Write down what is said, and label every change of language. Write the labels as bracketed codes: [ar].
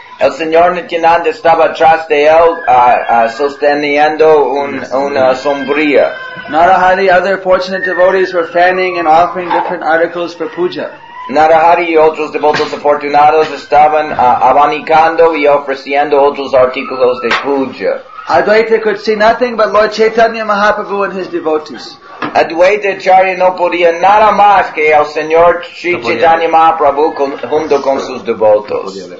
[es] El Señor Nityananda estaba atrás de él sosteniendo una sombrilla. [en] Narahari, other fortunate devotees were fanning and offering different articles for puja. [es] Narahari y otros devotos afortunados estaban abanicando y ofreciendo otros artículos de puja. [en] Advaita could see nothing but Lord Chaitanya Mahaprabhu and his devotees. [es] Advaita Acharya no podía nada más que el Señor Sri Chaitanya Mahaprabhu junto con sus devotos.